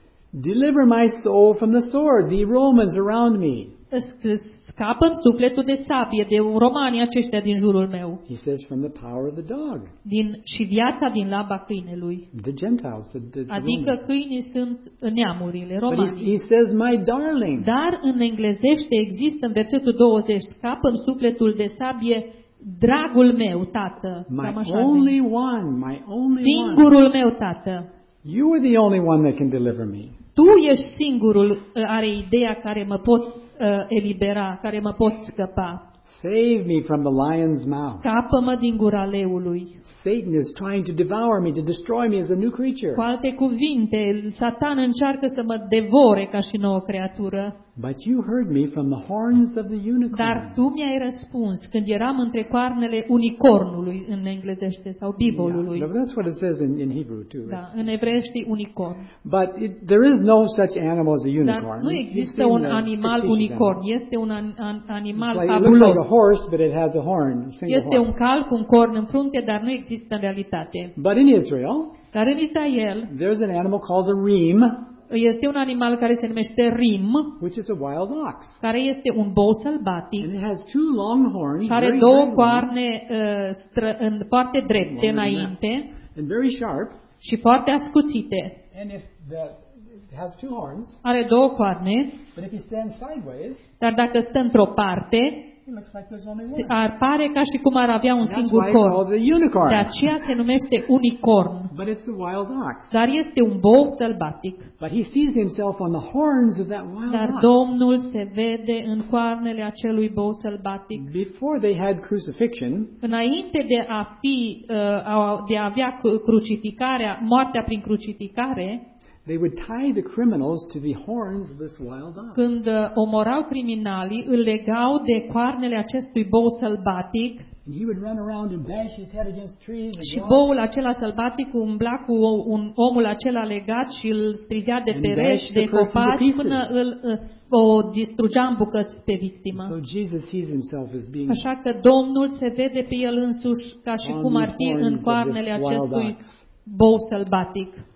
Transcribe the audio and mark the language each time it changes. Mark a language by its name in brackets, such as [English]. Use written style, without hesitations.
[English] Deliver my soul from the sword, the Romans around me. [Romanian] Scapă-mi sufletul de sabie, de romanii aceștia din jurul meu. [English] He says from the power of the dog. [Romanian] Și viața din laba câinelui. [English] The Gentiles, the Romans. [Romanian] Adică câinii sunt neamurile, romanii. [English] But he says, my darling. [Romanian] Dar în englezește există în versetul 20, scapă-mi sufletul de sabie, dragul meu, tată. [English] My only one, my only one. [Romanian] Singurul meu, tată. [English] You are the only one that can deliver me. [Romanian] Tu ești singurul, are ideea care mă poți elibera, care mă pot scăpa. [English] Save me from the lion's mouth. [Romanian] Scapă-mă din gura leului. [English] Satan is trying to devour me, to destroy me as a new creature. [Romanian] Cu alte cuvinte, Satan încearcă să mă devore ca și nouă creatură. [English] But you heard me from the horns of the unicorn. [Romanian] Dar tu mi-ai răspuns când eram între coarnele unicornului în englezește sau bibolului. [English] Yeah, that's what it says in Hebrew too. [Romanian] Da, în evrește unicorn. [English] But there is no such animal as a unicorn. [Romanian] Dar nu există un animal unicorn. Este un animal [English] like, [Romanian] fabulos. [English] a horse, but it has a horn. [Romanian] Este un cal cu un corn în frunte, dar nu există în realitate. [English] But in Israel, [Romanian] dar în Israel, [English] there's an animal called a reem. [Romanian] Este un animal care se numește rim, [English] which is a wild ox. [Romanian] Care este un bou sălbatic. [English] And it has two long horns, [Romanian] și are două coarne în parte drepte înainte. [English] And very sharp. [Romanian] Și foarte ascuțite. [English] And if the, it has two horns, [Romanian] are două coarne. [English] But if you stand sideways, [Romanian] dar dacă stă într-o parte, [English] like [Romanian] ar pare ca și cum ar avea un [English] and [Romanian] singur corn. De aceea se numește unicorn. [English] But it's the wild ox. [Romanian] Dar este un bou sălbatic. [English] But he sees himself on the horns of that wild ox. [Romanian] Dar Domnul se vede în coarnele acelui bou sălbatic. [English] Before they had crucifixion, [Romanian] înainte de a fi de a avea crucificarea, moartea prin crucificare, [English] they would tie the criminals to the horns of this wild ox. [Romanian] Când omorau criminalii, îl legau de coarnele acestui bou sălbatic. [English] And he would run around and bash his head against trees. [Romanian] Și boul acela sălbatic umbla cu un omul acela legat și îl strigea de perești, de copaci, până îl o distrugea în bucăți pe victimă. [English] So Jesus sees himself as being. [Romanian] Așa că Domnul se vede pe el însuși ca și cum ar fi în coarnele acestui bou sălbatic.